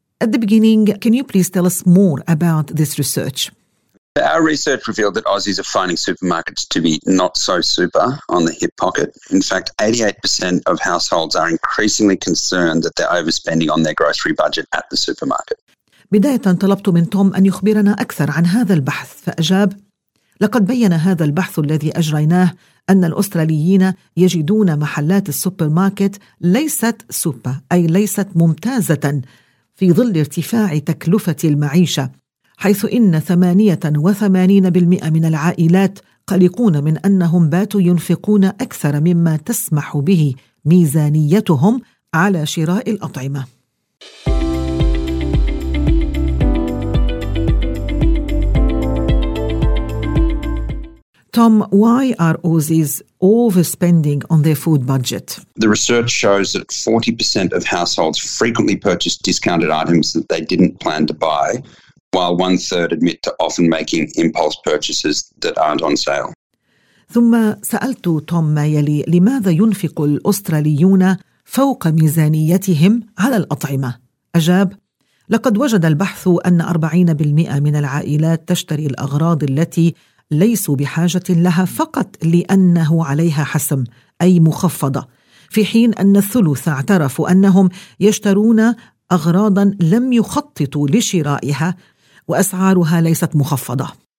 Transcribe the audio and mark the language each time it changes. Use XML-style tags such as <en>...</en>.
<en>At the beginning, can you please tell us more about this research? Our research revealed that Aussies are finding supermarkets to be not so super on the hip pocket. In fact, 88% of households are increasingly concerned that they're overspending on their grocery budget at the supermarket.</en> <ar>بداية طلبت من توم أن يخبرنا أكثر عن هذا البحث، فأجاب: لقد بين هذا البحث الذي أجريناه أن الأستراليين يجدون محلات السوبرماركت ليست سوبر، أي ليست ممتازة في ظل ارتفاع تكلفة المعيشة، حيث إن 88% من العائلات قلقون من أنهم باتوا ينفقون أكثر مما تسمح به ميزانيتهم على شراء الأطعمة.</ar> <en>Tom, why are Aussies overspending on their food budget? The research shows that 40% of households frequently purchase discounted items that they didn't plan to buy, while one third admit to often making impulse purchases that aren't on sale.</en> <ar>ثم سألت توم ما يلي: لماذا ينفق الأستراليون فوق ميزانيتهم على الأطعمة؟ أجاب: لقد وجد البحث أن 40% من العائلات تشتري الأغراض التي ليسوا بحاجة لها فقط لأنه عليها حسم أي مخفضة، في حين أن الثلث اعترفوا أنهم يشترون أغراضاً لم يخططوا لشرائها وأسعارها ليست مخفضة.</ar>